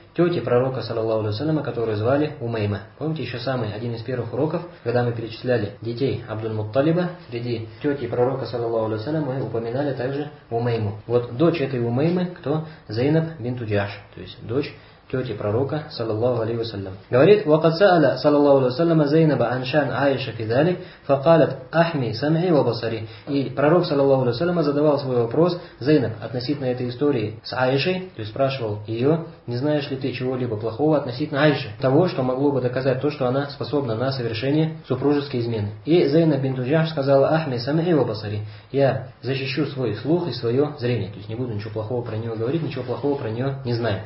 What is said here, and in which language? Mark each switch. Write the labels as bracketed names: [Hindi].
[Russian] тете пророка, саллаллаху алейхи ва саллям, которую звали Умейма. Помните, еще самый один из первых уроков, когда мы перечисляли детей Абдул-Мутталиба, среди тети пророка, саллаллаху алейхи ва саллям, мы упоминали также Умейму. Вот дочь этой Умеймы, кто? Зайнаб бинт Джаш, то есть дочь тети пророка, саллаллаху алейхи ва саллям. Говорит, [Arabic] وقد سأل صلى الله عليه وسلم زينب عن شأن عائشة كذلك فقالت أحمي سمعي وبصري. [Russian] И пророк, саллаллаху алейхи ва саллям, задавал свой вопрос Зайнаб относительно этой истории с Аишей, то есть спрашивал ее, не знаешь ли ты чего-либо плохого относительно Аиши, того, что могло бы доказать то, что она способна на совершение супружеской измены. И Зайнаб бинт Джаш сказала: [Arabic] Ахми самии вабасари, [Russian] я защищу свой слух и свое зрение, то есть не буду ничего плохого про нее говорить, ничего плохого про нее не знаю.